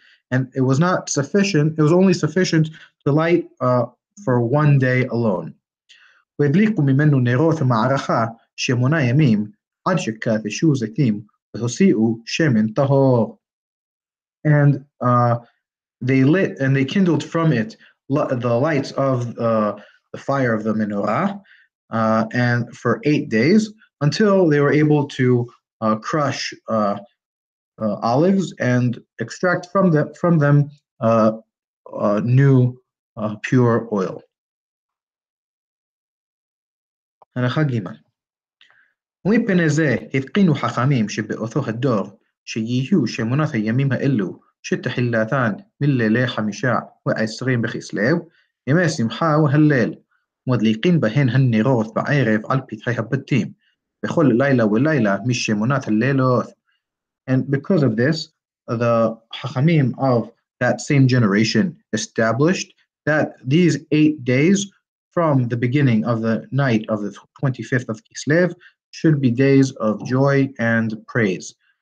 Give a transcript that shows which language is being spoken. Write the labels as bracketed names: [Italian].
[English] And it was not sufficient, it was only sufficient to light for one day alone. [Hebrew] והדליקו ממנו נרות מערכה שמונה ימים עד שכתשו זיתים והוסיעו שמן טהור. [English] And they kindled from it the lights of the fire of the menorah and for 8 days until they were able to crush olives and extract from them new pure oil. [Hebrew] הנחה ג' ומפני זה התקינו חכמים שבאותו הדור שיהיו שמונת הימים האלו שתחילתן מלילי חמישה ועשרים בכסלו ימי שמחה והלל מדליקים בהן הנרות בערב על פתחי הבתים בכל לילה ולילה משמונת הלילות. [English] And because of this, the Chachamim of that same generation established that these 8 days from the beginning of the night of the 25th of Kislev should be days of joy and praise.